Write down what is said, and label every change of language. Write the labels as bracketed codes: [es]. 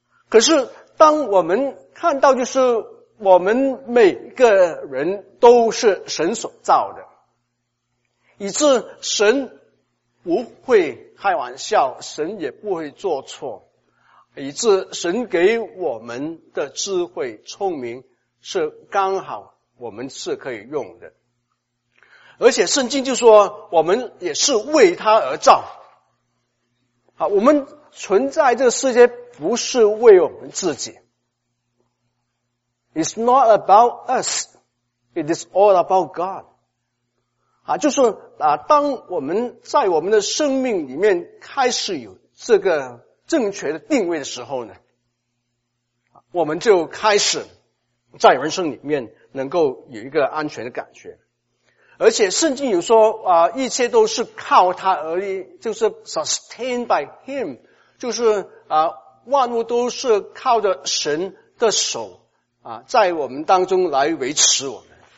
[zh] 可是当我们看到就是我们每个人都是神所造的，以致神不会开玩笑，神也不会做错，以致神给我们的智慧聪明是刚好我们是可以用的，而且圣经就说我们也是为他而造。好，我们存在这个世界不是为我们自己。 [en] It's not about us, it is all about God. [zh] 啊，就是啊，当我们在我们的生命里面开始有这个正确的定位的时候呢，我们就开始在人生里面能够有一个安全的感觉。而且圣经有说啊，一切都是靠他而立，就是 [en] sustained by him, [zh] 就是啊，万物都是靠着神的手啊，在我们当中来维持我们。